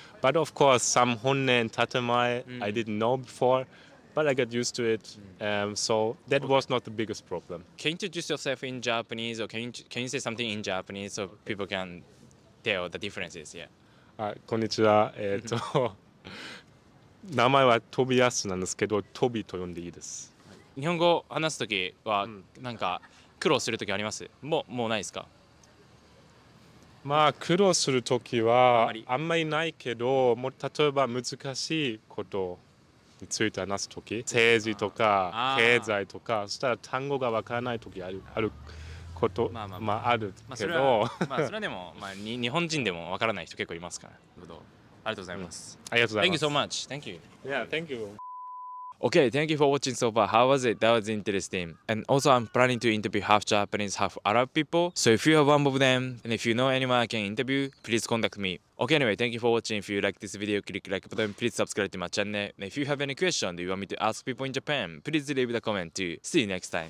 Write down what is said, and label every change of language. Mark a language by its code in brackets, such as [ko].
[en] But of course, some honne and tatemae I didn't know before, but I got used to it. So that was not the biggest problem. Can you introduce yourself in Japanese or can you say something in Japanese so people can tell the differences? Yeah. [ja] こんにちは。名前はトビヤスなんですけど、トビと呼んでいいです。日本語を話すときは、なんか苦労するときあります？もうないですか？まあ苦労するときはあんまりないけど、もう例えば難しいことについて話すとき、政治とか経済とか、そしたら単語がわからないときある。ことまあ、あるけど、それはでも、まあ、日本人でもわからない人結構いますから。ありがとうございます。ありがとうございます。 [en] Thank you so much. Thank you. Yeah, thank you. Okay, thank you for watching so far. How was it? That was interesting. And also, I'm planning to interview half Japanese, half Arab people. So if you are one of them, and if you know anyone I can interview, please contact me. Okay, anyway, thank you for watching. If you like this video, click like button. Please subscribe to my channel. And if you have any questions you want me to ask people in Japan, please leave the comment too. See you next time.